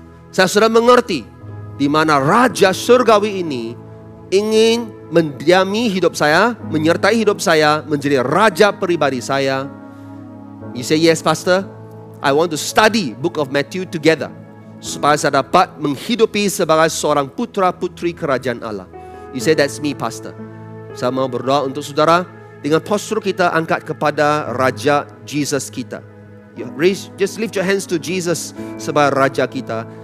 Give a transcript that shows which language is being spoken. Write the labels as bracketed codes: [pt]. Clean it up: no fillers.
[ms] Saya sudah mengerti di mana Raja surgawi ini ingin mendiami hidup saya, menyertai hidup saya, menjadi Raja peribadi saya. [en] You say, yes, Pastor, I want to study Book of Matthew together. [ms] supaya saya dapat menghidupi sebagai seorang putra-putri kerajaan Allah. [en] You say that's me, [ms] Pastor. Saya mau berdoa untuk saudara dengan postur kita angkat kepada Raja Jesus kita. [en] Just lift your hands to Jesus [ms] sebagai Raja kita.